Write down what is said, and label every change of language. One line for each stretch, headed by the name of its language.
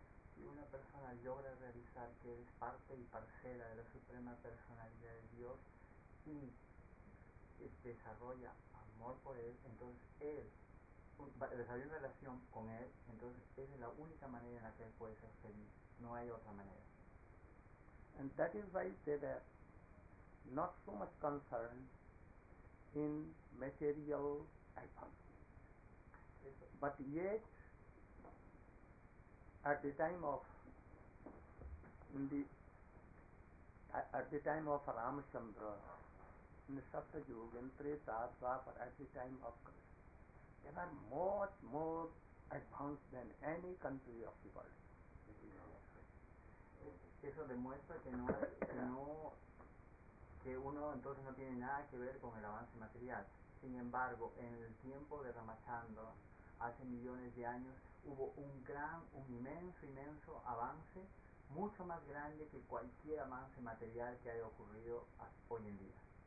Spanish: Si una persona logra realizar que es parte y parcela de la suprema personalidad de Dios y desarrolla amor por él, entonces él desarrolla una relación con él, entonces esa es la única manera en la que él puede ser feliz. No hay otra manera.
English: And that is why they were not so much concerned in material advancement. But yet, at the time of Ramachandra, in the Sapta Yuga, in Treta, Dwapara, at the time of Krishna, they were much more advanced than any country of the world.
Spanish: Eso demuestra que no que uno entonces no tiene nada que ver con el avance material. Sin embargo, en el tiempo de Ramachandra, hace millones de años, hubo un inmenso avance, mucho más grande que cualquier avance material que haya ocurrido hoy en día.